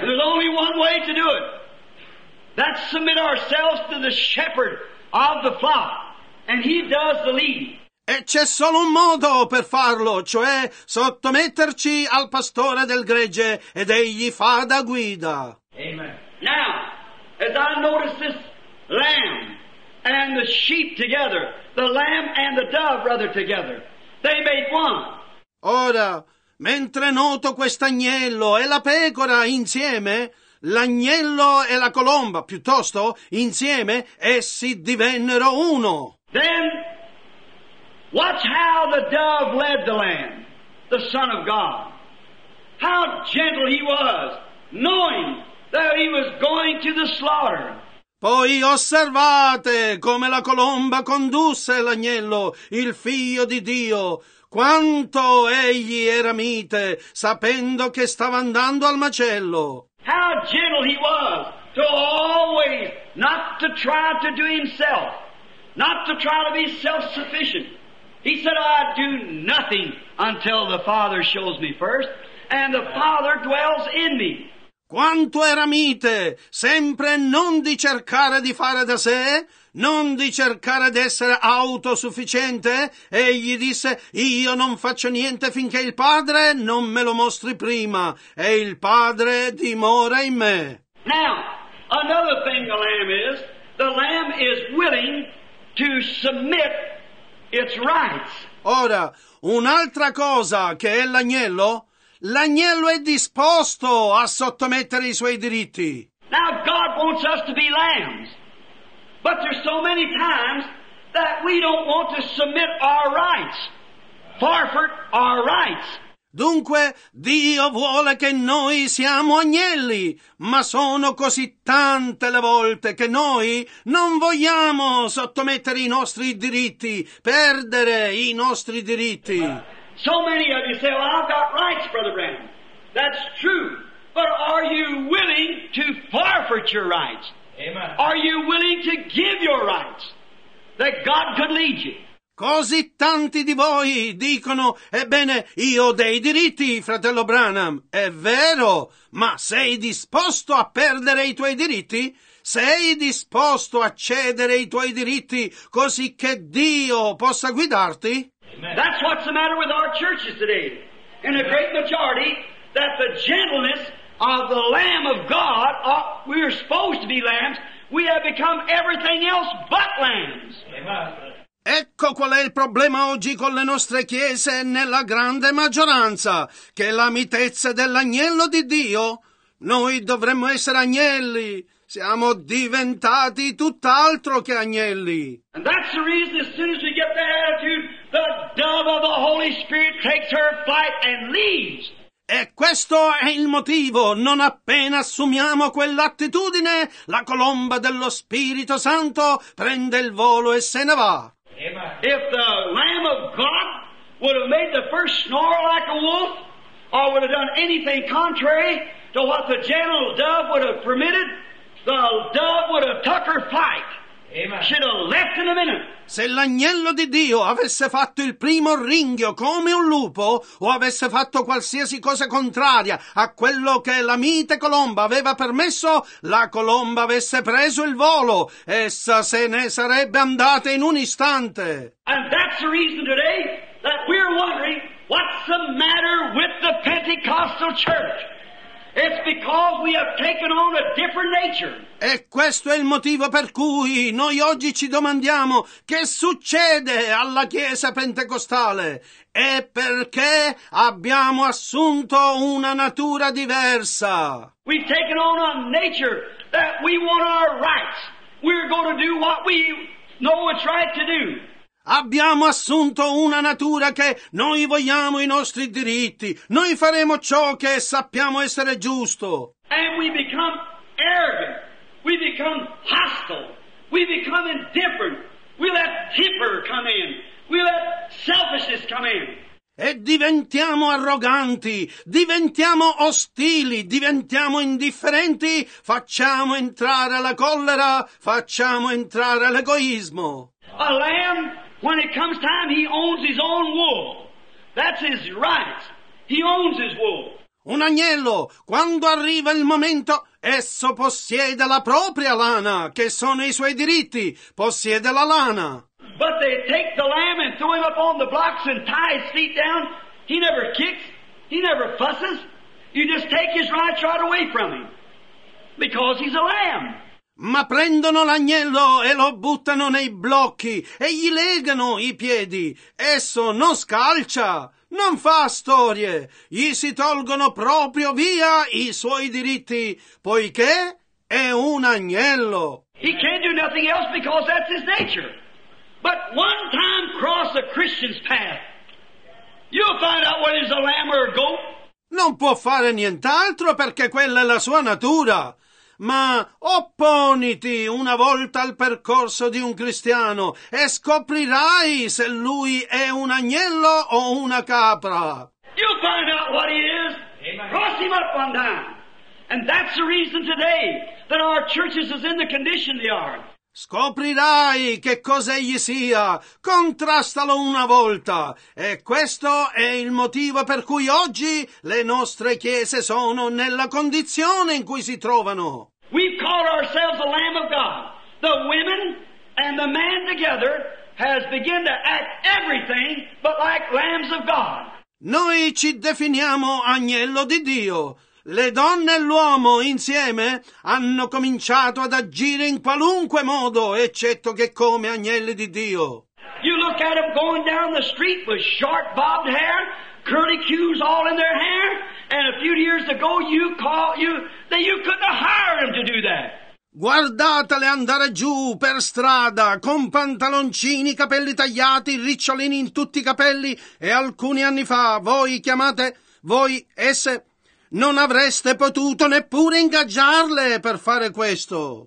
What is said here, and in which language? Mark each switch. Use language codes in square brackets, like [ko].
[en] There's only one way to do it. That's submit ourselves to the shepherd of the flock. And he does the leading. [it] E c'è solo un modo per farlo, cioè sottometterci al pastore del gregge ed egli fa da guida. [en] Amen. Now, as I notice this lamb and the sheep together, the lamb and the dove, rather, together, they made one. [it] Ora, mentre noto quest'agnello e la pecora insieme, l'agnello e la colomba, piuttosto, insieme, essi divennero uno. [en] Then, watch how the dove led the lamb, the Son of God. How gentle he was, knowing that he was going to the slaughter. [it] Poi osservate come la colomba condusse l'agnello, il figlio di Dio. Quanto egli era mite, sapendo che stava andando al macello. [en] How gentle he was to always not to try to do himself, not to try to be self-sufficient. He said, I do nothing until the Father shows me first, and the Father dwells in me. [it] Quanto era mite, sempre non di cercare di fare da sé, non di cercare d'essere autosufficiente, egli disse, io non faccio niente finché il Padre non me lo mostri prima, e il Padre dimora in me. [en] Now, another thing the lamb is willing to submit its rights. [it] Ora, un'altra cosa che è l'agnello è disposto a sottomettere i suoi diritti. [en] Now God wants us to be lambs, but there's so many times that we don't want to submit our rights, forfeit our rights. [it] Dunque, Dio vuole che noi siamo agnelli, ma sono così tante le volte che noi non vogliamo sottomettere i nostri diritti, perdere i nostri diritti. [en] So many of you say, well, I've got rights, Brother Branham. That's true. But are you willing to forfeit your rights? Amen. Are you willing to give your rights that God could lead you? [it] Così tanti di voi dicono, ebbene, io ho dei diritti, fratello Branham. È vero, ma sei disposto a perdere i tuoi diritti? Sei disposto a cedere i tuoi diritti così che Dio possa guidarti? [en] Amen. That's what's the matter with our churches today. In a great majority, that the gentleness of the Lamb of God, we are supposed to be lambs, we have become everything else but lambs. Amen. [it] Ecco qual è il problema oggi con le nostre chiese nella grande maggioranza, che la mitezza dell'agnello di Dio, noi dovremmo essere agnelli, siamo diventati tutt'altro che agnelli. [en] And that's the reason as soon as we get that attitude, the dove of the Holy Spirit takes her flight and leaves. [it] E questo è il motivo, non appena assumiamo quell'attitudine, la colomba dello Spirito Santo prende il volo e se ne va. [en] If the Lamb of God would have made the first snore like a wolf, or would have done anything contrary to what the gentle dove would have permitted, the dove would have took her flight. Amen. Should have left in a minute. [it] Se l'agnello di Dio avesse fatto il primo ringhio come un lupo, o avesse fatto qualsiasi cosa contraria a quello che la mite colomba aveva permesso, la colomba avesse preso il volo. Essa se ne sarebbe andata in un istante. [en] And that's the reason today that we're wondering what's the matter with the Pentecostal church. It's because we have taken on a different nature. [it] E questo è il motivo per cui noi oggi ci domandiamo che succede alla Chiesa Pentecostale. È perché abbiamo assunto una natura diversa. [en] We've taken on a nature that we want our rights. We're going to do what we know it's right to do. [it] Abbiamo assunto una natura che noi vogliamo i nostri diritti. Noi faremo ciò che sappiamo essere giusto. [en] And we become arrogant. We become hostile. We become indifferent. We let temper come in. We let selfishness come in. [it] E diventiamo arroganti, diventiamo ostili, diventiamo indifferenti, facciamo entrare la collera, facciamo entrare l'egoismo. [en] A lamb, when it comes time, he owns his own wool. That's his right. He owns his wool. [it] Un agnello, quando arriva il momento, esso possiede la propria lana, che sono i suoi diritti, possiede la lana. [en] But they take the lamb and throw him up on the blocks and tie his feet down. He never kicks. He never fusses. You just take his rights right away from him. Because he's a lamb. [it] Ma prendono l'agnello e lo buttano nei blocchi e gli legano i piedi. Esso non scalcia, non fa storie. Gli si tolgono proprio via i suoi diritti, poiché è un agnello. [en] He can't do nothing else because that's his nature. But one time cross a Christian's path, you'll find out what is a lamb or a goat. [it] Non può fare nient'altro perché quella è la sua natura. Ma opponiti una volta al percorso di un cristiano e scoprirai se lui è un agnello o una capra. [en] You'll find out what he is. Amen. Cross him up one time. And that's the reason today that our churches is in the condition they are. [it] Scoprirai che cosa egli sia, contrastalo una volta, e questo è il motivo per cui oggi le nostre chiese sono nella condizione in cui si trovano. [en] We've called ourselves the Lamb of God. The women and the man together has begun to act everything but like lambs of God. [it] Noi ci definiamo agnello di Dio. Le donne e l'uomo insieme hanno cominciato ad agire in qualunque modo, eccetto che come agnelli di Dio. [en] You look at them going down the street with short bobbed hair, curlicues all in their hair, and a few years ago you couldn't hire them to do that. [it] Guardatele andare giù per strada con pantaloncini, capelli tagliati, ricciolini in tutti i capelli, e alcuni anni fa voi esse non avreste potuto neppure ingaggiarle per fare questo.